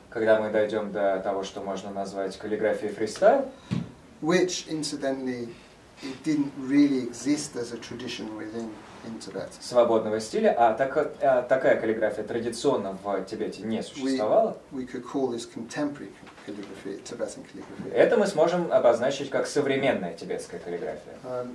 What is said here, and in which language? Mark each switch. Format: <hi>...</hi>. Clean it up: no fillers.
<ru>Когда мы дойдем до того, что можно назвать каллиграфией фристайл,</ru> <en>which incidentally it didn't really exist as a tradition within in Tibet.</en> <ru>Свободного стиля, такая каллиграфия традиционно в Тибете не существовала.</ru> <en>We could call this contemporary calligraphy, Tibetan calligraphy.</en> <ru>Это мы сможем обозначить как современная тибетская каллиграфия.</ru>